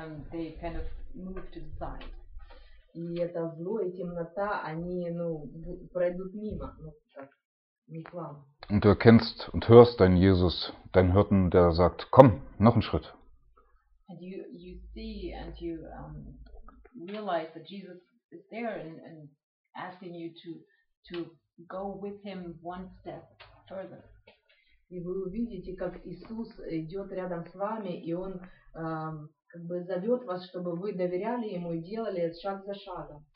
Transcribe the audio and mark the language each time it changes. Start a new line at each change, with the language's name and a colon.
English: they kind of move to the side.
Russian: И это зло и темнота, они, ну, пройдут мимо, ну, так, не к вам.
German: Und du erkennst und hörst deinen Jesus, deinen Hirten, der sagt, komm, noch einen Schritt.
English: And you see and you realize that Jesus is there and asking you to go with him one step further.
Russian: И вы увидите, как Иисус идет рядом с вами, и он как бы зовет вас, чтобы вы доверяли ему и делали шаг за шагом.